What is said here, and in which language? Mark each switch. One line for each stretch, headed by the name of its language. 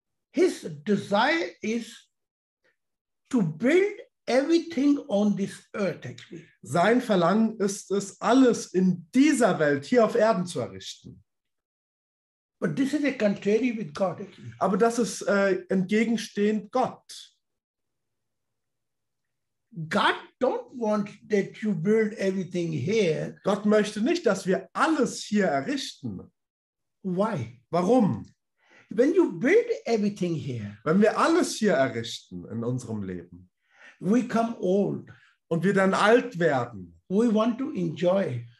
English: his desire is to build everything on this earth actually.
German: Sein Verlangen ist es, alles in dieser Welt, hier auf Erden zu errichten.
English: But this is a contrary with God.
German: Aber das ist entgegenstehend Gott.
English: God don't want that you build everything here.
German: Gott möchte nicht, dass wir alles hier errichten.
English: Why?
German: Warum?
English: When you build everything here,
German: wenn wir alles hier errichten in unserem Leben,
English: we come old.
German: Und wir dann alt werden.
English: We want to enjoy.